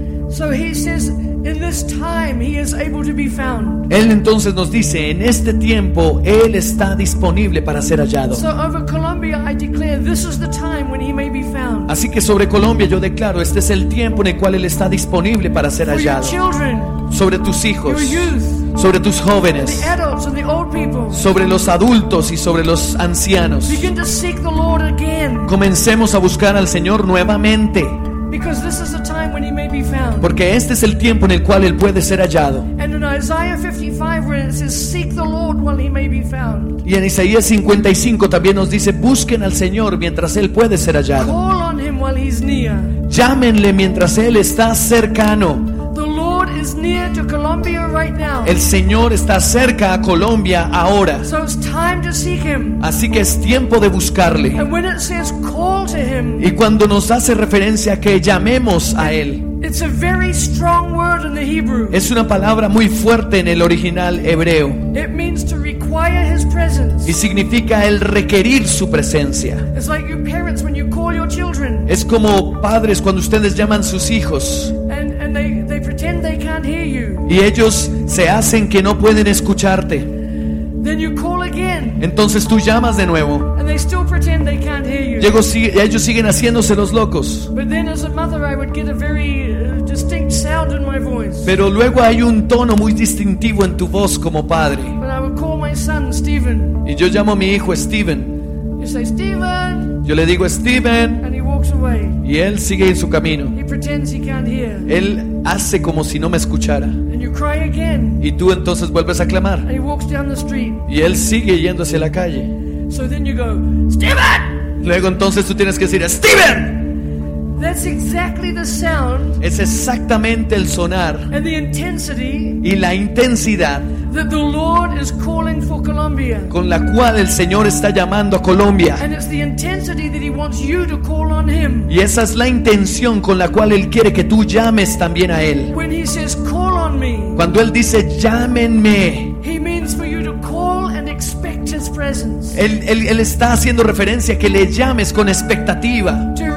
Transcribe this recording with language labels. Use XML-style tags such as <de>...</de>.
<en>So he says, in this time he is able to be found.</en> <es>Él entonces nos dice, en este tiempo él está disponible para ser hallado.</es> <en>So over Colombia I declare, this is the time when he may be found.</en> <es>Así que sobre Colombia yo declaro, este es el tiempo en el cual él está disponible para ser hallado.</es> <en>For your children,</en> <es>sobre tus hijos,</es> <en>your youth,</en> <es>sobre tus jóvenes,</es> <en>the adults and the old people,</en> <es>sobre los adultos y sobre los ancianos.</es> <en>Begin to seek the Lord again.</en> <es>Comencemos a buscar al Señor nuevamente.</es> <en>Because this is the time when he may be found.</en> <es>Porque este es el tiempo en el cual él puede ser hallado.</es> <en>And in Isaiah 55 where it says, seek the Lord while he may be found.</en> <es>Y en Isaías 55 también nos dice, busquen al Señor mientras él puede ser hallado.</es> <en>Call on him while he's near.</en> <es>Llámenle mientras él está cercano.</es> <en>The Lord is near to Colombia right now.</en> <es>El Señor está cerca a Colombia ahora.</es> <en>So it's time to seek him.</en> <es>Así que es tiempo de buscarle.</es> <en>And when it says, call to him.</en> <es>Y cuando nos hace referencia a que llamemos a él.</es> <en>It's a very strong word in the Hebrew.</en> <es>Es una palabra muy fuerte en el original hebreo.</es> <en>It means to require his presence.</en> <es>Y significa el requerir su presencia.</es> <en>It's like your parents when you call your children.</en> <es>Es como padres cuando ustedes llaman sus hijos.</es> <en>And they pretend they can't hear you.</en> <es>Y ellos se hacen que no pueden escucharte.</es> <en>Then you call again.</en> <es>Entonces tú llamas de nuevo.</es> <en>And they still pretend they can't hear you.</en> <es>Ellos siguen haciéndose los locos.</es> <en>But then as a mother I would get a very distinct sound in my voice.</en> <es>Pero luego hay un tono muy distintivo en tu voz como padre.</es> <en>But I would call my son Stephen.</en> <es>Y yo llamo a mi hijo Stephen.</es> <en>You say, Stephen.</en> <es>Yo le digo Stephen.</es> <en>And he walks away.</en> <es>Y él sigue en su camino.</es> <en>He pretends he can't hear.</en> <es>Él hace como si no me escuchara.</es> <en>And you cry again.</en> <es>Y tú entonces vuelves a clamar.</es> <en>And he walks down the street.</en> <es>Y él sigue yendo hacia la calle.</es> <en>So then you go, Stephen!</en> <es>Luego entonces tú tienes que decir, Stephen!</es> <en>That's exactly the sound.</en> <es>Es exactamente el sonar.</es> <en>And the intensity.</en> <es>Y la intensidad.</es> <en>That the Lord is calling for Colombia.</en> <es>Con la cual el Señor está llamando a Colombia.</es> <en>And it's the intensity that he wants you to call on him.</en> <es>Y esa es la intención con la cual él quiere que tú llames también a él.</es> <en>When he says, call on me.</en> <es>Cuando él dice, llámenme.</es> <en>He means for you to call and expect his presence.</en> <es>Él está haciendo referencia a que le llames con expectativa.</es>